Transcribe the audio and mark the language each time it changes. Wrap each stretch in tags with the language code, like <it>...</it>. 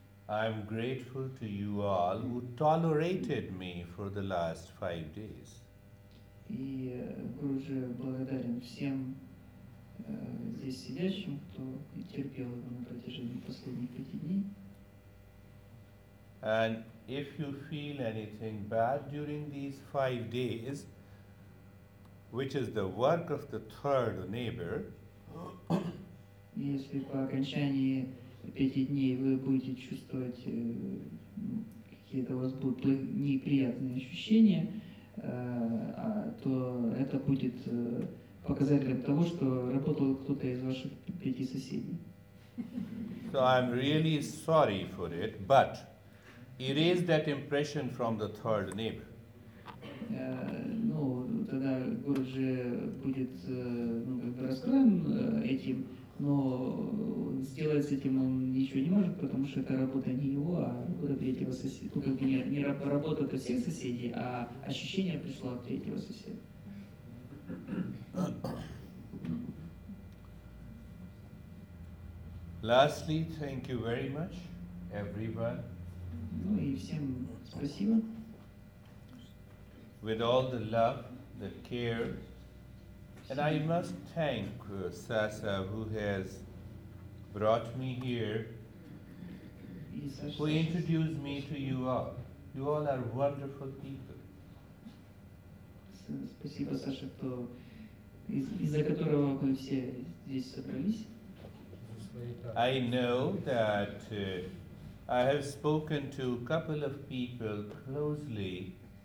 <en>I'm grateful to you all who tolerated me for the last 5 days.</en> <ru>И уже благодарен всем здесь сидящим, кто терпел его на протяжении последних 5 дней.</ru> <en>And if you feel anything bad during these 5 days, which is the work of the third neighbor,</en> <ru>если по окончании 5 дней вы будете чувствовать какие-то у вас будут неприятные ощущения, то это будет показателем того, что работал кто-то из ваших 5 соседей.</ru> <en>So I'm really sorry for it, but erase that impression from the third neighbor.</en> <ru>Ну, тогда Гуруджи будет раскроен этим. Но сделать с этим он ничего не может, потому что это работа не его, а работа третьего соседа. Ну, как бы не работа от всех соседей, а ощущение пришло от третьего соседа.</ru> <en>Lastly, thank you very much, everyone.</en> <ru>Ну и всем спасибо.</ru> <en>With all the love, the care. And I must thank Sasa, who has brought me here, who introduced me to you all. You all are wonderful people.</en> <ru>Спасибо, Саша, кто из-за которого мы все здесь собрались.</ru> <en>I know that I have spoken to a couple of people closely.</en>